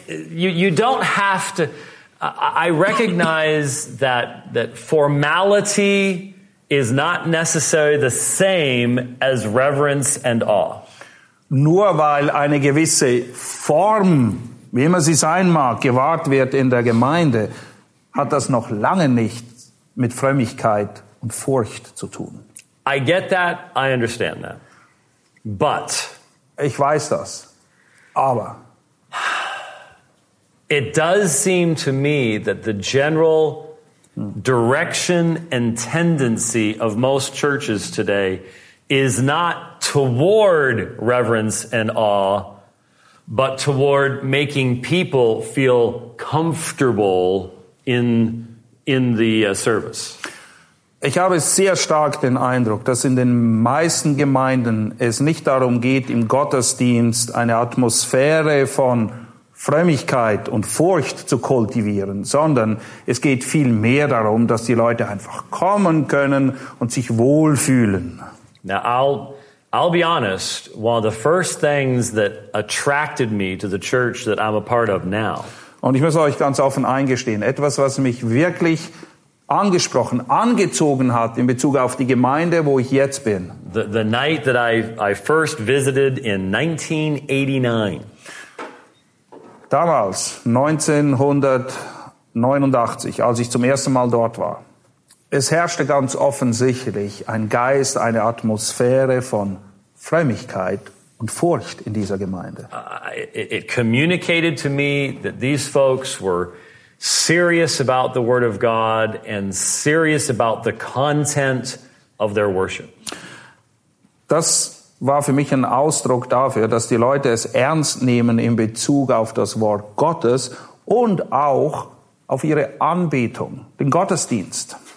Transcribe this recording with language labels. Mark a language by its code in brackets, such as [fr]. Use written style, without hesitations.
[en] You don't have to. I recognize that formality is not necessarily the same as reverence and awe. [de] Nur weil eine gewisse Form, wie immer sie sein mag, gewahrt wird in der Gemeinde, hat das noch lange nicht mit Frömmigkeit und Furcht zu tun. [en] I get that, I understand that. But [de] ich weiß das. Aber [en] it does seem to me that the general direction and tendency of most churches today is not toward reverence and awe, but toward making people feel comfortable in the service. [de] Ich habe sehr stark den Eindruck, dass in den meisten Gemeinden es nicht darum geht, im Gottesdienst eine Atmosphäre von Frömmigkeit und Furcht zu kultivieren, sondern es geht viel mehr darum, dass die Leute einfach kommen können und sich wohlfühlen. [en] Now, I'll be honest, one of the first things that attracted me to the church that I'm a part of now. [de] Und ich muss euch ganz offen eingestehen, etwas, was mich wirklich angesprochen, angezogen hat in Bezug auf die Gemeinde, wo ich jetzt bin. [en] The night that I first visited in 1989. [de] Damals, 1989, als ich zum ersten Mal dort war, es herrschte ganz offensichtlich ein Geist, eine Atmosphäre von Frömmigkeit und Furcht in dieser Gemeinde. [en] It communicated to me that these folks were serious about the Word of God and serious about the content of their worship. [de] Das war für mich ein Ausdruck dafür, dass die Leute es ernst nehmen in Bezug auf das Wort Gottes und auch auf ihre Anbetung, den Gottesdienst.